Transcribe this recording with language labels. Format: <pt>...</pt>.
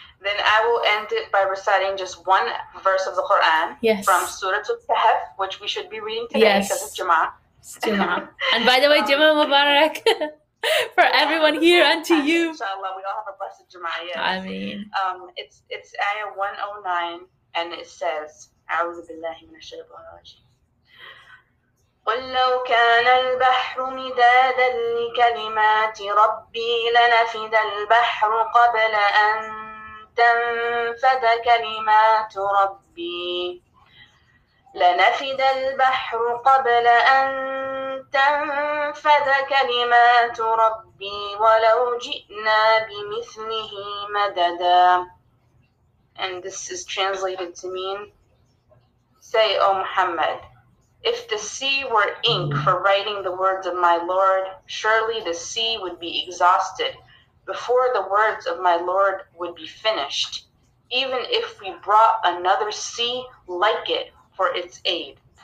<en>Then I will end it by reciting just one verse of the Quran from Surah Al-Kahf, which we should be reading today because it's Jummah. It's Jummah. And by the way, Jummah Mubarak for everyone here and to you. Inshallah, we all have a blessed Jummah. Yes. I mean. It's Ayah 109, and it says, A'udhu Billahi Minash Shaitan Rajeem.</en> <ar>قل لو كان البحر مدادا لكلمات ربي لنفد البحر قبل أن تنفد كلمات ربي لنفد البحر قبل أن تنفد كلمات ربي ولو جئنا بمثله مددا.</ar> <en>And this is translated to mean, say, O Muhammad, if the sea were ink for writing the words of my Lord, surely the sea would be exhausted before the words of my Lord would be finished, even if we brought another sea like it for its aid.</en>